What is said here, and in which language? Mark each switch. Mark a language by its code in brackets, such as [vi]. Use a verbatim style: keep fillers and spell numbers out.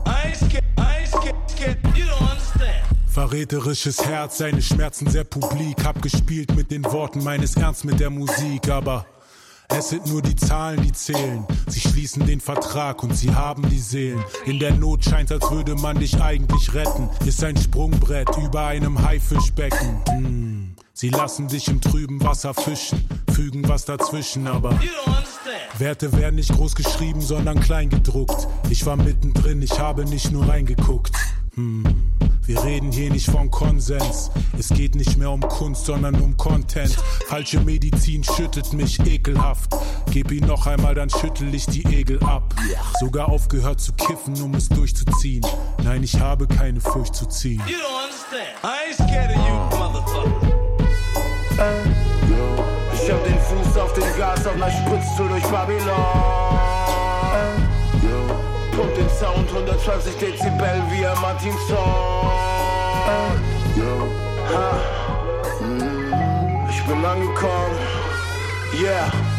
[en] Ice kid, ice kid, kid, you don't understand. [de] Verräterisches Herz, seine Schmerzen sehr publik. Hab gespielt mit den Worten meines Ernst mit der Musik, aber es sind nur die Zahlen, die zählen. Sie schließen den Vertrag und sie haben die Seelen. In der Not scheint, als würde man dich eigentlich retten. Ist ein Sprungbrett über einem Haifischbecken. Hm. Sie lassen dich im trüben Wasser fischen, fügen was dazwischen, aber Werte werden nicht groß geschrieben, sondern klein gedruckt. Ich war mittendrin, ich habe nicht nur reingeguckt. Hm. Wir reden hier nicht von Konsens. Es geht nicht mehr um Kunst, sondern um Content. Falsche Medizin schüttet mich ekelhaft. Geb ihn noch einmal, dann schüttel ich die Egel ab. Sogar aufgehört zu kiffen, um es durchzuziehen. Nein, ich habe keine Furcht zu ziehen. [en] You don't understand. I ain't scared of you, motherfucker. [de] Ich hab den Fuß auf den Gashahn, spritzt du durch Babylon. Pumpt den Sound hundertzwanzig Dezibel wie ein Martin Song. Ich bin angekommen, yeah.